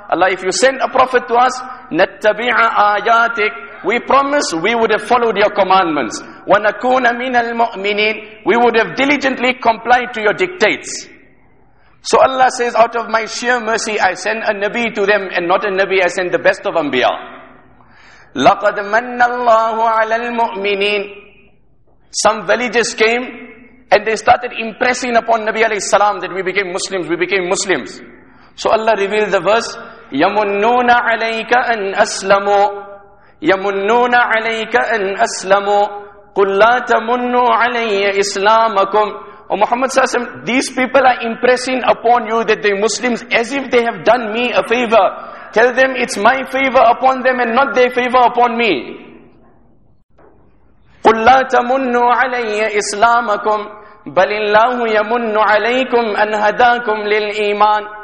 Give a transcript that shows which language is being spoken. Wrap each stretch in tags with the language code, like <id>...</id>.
<en>Allah, if you send a prophet to us,</en> <ar>نَتَّبِعَ آيَاتِكَ,</ar> <en>we promise we would have followed your commandments.</en> <ar>وَنَكُونَ مِنَ الْمُؤْمِنِينَ,</ar> <en>we would have diligently complied to your dictates. So Allah says, out of my sheer mercy, I send a Nabi to them, and not a Nabi, I send the best of Anbiya.</en> <ar>لَقَدْ مَنَّ اللَّهُ عَلَى الْمُؤْمِنِينَ.</ar> <en>Some villagers came, And they started impressing upon Nabi alayhi salam that we became Muslims, we became Muslims. So Allah revealed the verse,</en> <ar>يَمُنُّونَ عَلَيْكَ أَنْ أَسْلَمُوا يَمُنُّونَ عَلَيْكَ أَنْ أَسْلَمُوا قُلْ لَا تَمُنُّوا عَلَيَّ إِسْلَامَكُمْ.</ar> <en>Oh Muhammad sallallahu alayhi wa sallam, these people are impressing upon you that they're Muslims as if they have done me a favor. Tell them it's my favor upon them and not their favor upon me.</en> <ar>قُلْ لَا تَمُنُّوا عَلَيَّ إِسْلَامَكُمْ بَلِ اللَّهُ يَمُنُّ عَلَيْكُمْ أَنْ هَدَاكُمْ لِلْإِيمَانِ.</ar>